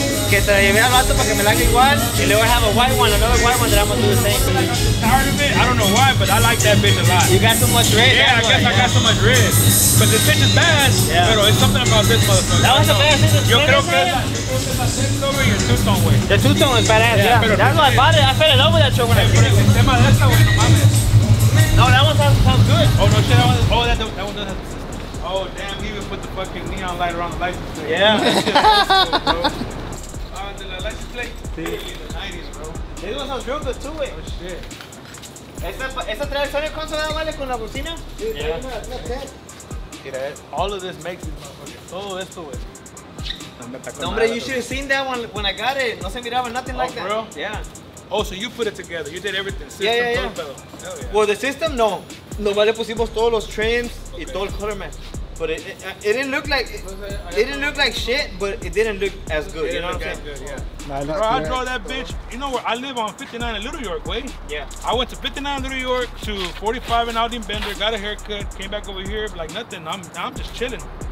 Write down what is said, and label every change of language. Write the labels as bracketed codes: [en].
[es] Que te la llevé al vato para que me la haga igual. Y luego [en] I have a white one, another white one that I'm gonna do the same. I'm just tired of it. I don't know why, but I like that bitch a lot. You got so much red. Yeah, I guess I got so much red. But this bitch is bad, pero it's something about this motherfucker. That was the best. [es] Yo creo que es la six-tone y el two-tone, güey. [en] The two-tone is badass, That's why I bought it. I fell in love with that show when I [es] came. El tema de esta, güey, no mames. [en] No, that one sounds good. Oh, no shit. That one does have the system. Oh, damn, he even put the fucking neon light around the license plate. Yeah. [es] Sí. Sí. [en] The 90s, bro. This one sounds real good too, wey. Oh shit. [es] Esta trae el Sony console, vale, con la bocina. [en] Yeah. All of this makes it, motherfucker. [es] Todo esto, güey. No, hombre, [en] you should have seen that one when I got it. [es] No se miraba [en] nothing like that. Oh, bro? Yeah. Oh, so you put it together. You did everything. System, yeah, yeah, yeah. Hell yeah. Well, the system, no. [es] Nomás le pusimos todos los trims y todo el color match. [en] But it didn't look like shit, but it didn't look as good. You know what I'm saying? Good, yeah. Bro, I draw that bitch. You know where I live on 59 in Little York, way? Yeah. I went to 59 in Little York to 45 in Aldine Bender, got a haircut, came back over here, like nothing. I'm just chilling.